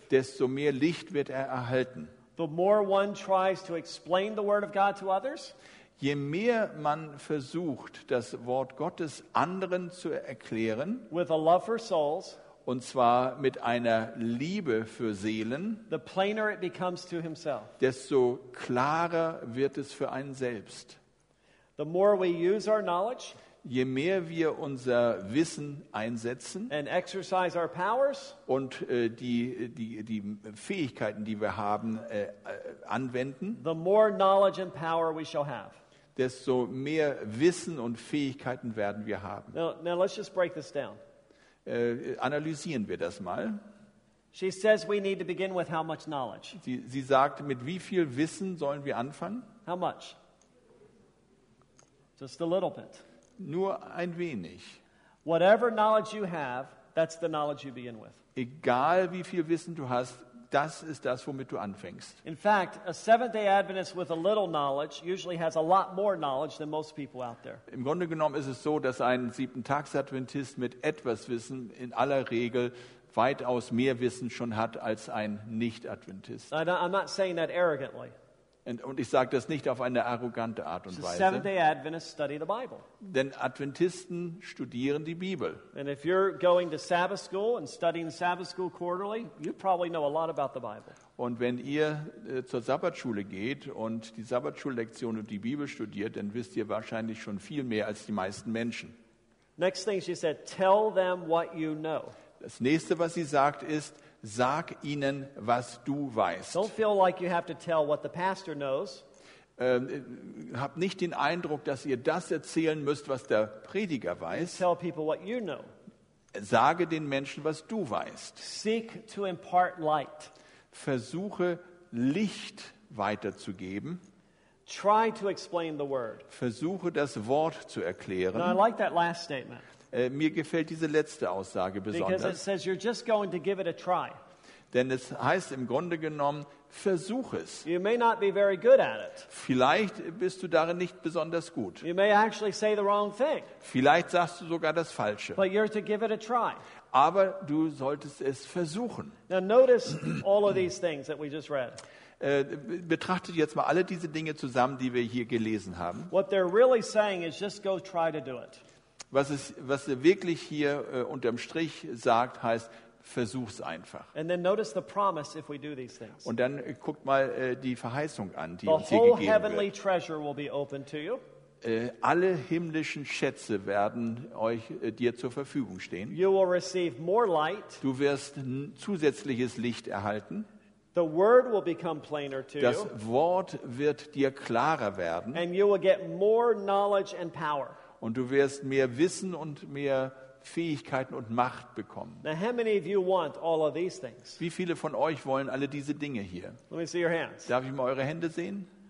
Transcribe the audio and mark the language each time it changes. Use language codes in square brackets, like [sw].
[de] Desto mehr Licht wird er erhalten. [en] The more one tries to explain the word of God to others, [de] je mehr man versucht, das Wort Gottes anderen zu erklären, [en] with a love for souls, [de] und zwar mit einer Liebe für Seelen, [en] the plainer it becomes to himself. [de] Desto klarer wird es für einen selbst. [en] The more we use our knowledge, [de] je mehr wir unser Wissen einsetzen [en] and exercise our powers, [de] und die Fähigkeiten, die wir haben, anwenden, [en] the more knowledge and power we shall have. [de] Desto mehr Wissen und Fähigkeiten werden wir haben. [en] Now let's just break this down. [de] Analysieren wir das mal. [en] She says we need to begin with how much knowledge. Sie sagt, mit wie viel Wissen sollen wir anfangen? How much? Just a little bit. [de] Nur ein wenig. [en] Whatever knowledge you have, that's the knowledge you begin with. [de] Egal wie viel Wissen du hast, das ist das, womit du anfängst. [en] In fact, a Seventh-day Adventist with a little knowledge usually has a lot more knowledge than most people out there. [de] Im Grunde genommen ist es so, dass ein Siebenten-Tags-Adventist mit etwas Wissen in aller Regel weitaus mehr Wissen schon hat als ein Nicht-Adventist. [en] I'm not saying that arrogantly. [de] Und ich sage das nicht auf eine arrogante Art und Weise. [en] Seventh-day Adventists study the Bible. [de] Denn Adventisten studieren die Bibel. [en] And if you're going to Sabbath school and studying Sabbath school quarterly, you probably know a lot about the Bible. [de] Und wenn ihr zur Sabbatschule geht und die Sabbatschullektion und die Bibel studiert, dann wisst ihr wahrscheinlich schon viel mehr als die meisten Menschen. [en] Next thing she said, tell them what you know. [de] Das nächste, was sie sagt, ist, sag ihnen, was du weißt. [en] Don't feel like you have to tell what the pastor knows. [de] Hab nicht den Eindruck, dass ihr das erzählen müsst, was der Prediger weiß. [en] Tell people what you know. [de] Sage den Menschen, was du weißt. [en] Seek to impart light. [de] Versuche, Licht weiterzugeben. [en] Try to explain the word. [de] Versuche, das Wort zu erklären. [en] Now, I like that last statement. [de] Mir gefällt diese letzte Aussage besonders. [en] Because it says you're just going to give it a try. [de] Denn es heißt im Grunde genommen, versuch es. [en] You may not be very good at it. [de] Vielleicht bist du darin nicht besonders gut. [en] You may actually say the wrong thing. [de] Vielleicht sagst du sogar das Falsche. [en] But you're to give it a try. [de] Aber du solltest es versuchen. [en] Now notice all of these things that we just read. [de] Betrachtet jetzt mal alle diese Dinge zusammen, die wir hier gelesen haben. [en] What they're really saying is just go try to do it. [de] Was er wirklich hier unterm Strich sagt, heißt, versuch's einfach. [en] And then notice the promise if we do these things. [de] Und dann guckt mal die Verheißung an, die [en] the [de] uns hier gegeben [en] heavenly [de] wird. [en] Treasure will be open to you. [de] Alle himmlischen Schätze werden euch dir zur Verfügung stehen. [en] You will receive more light. [de] Du wirst zusätzliches Licht erhalten. [en] The word will become plainer to you. [de] Das Wort wird dir klarer werden. [en] And you will get more knowledge and power. [de] Und du wirst mehr Wissen und mehr Fähigkeiten und Macht bekommen. [en] Now, how many of you want all of these things? [de] Wie viele von euch wollen alle diese Dinge hier? [en] Let me see your hands. [de] Darf ich mal eure Hände sehen?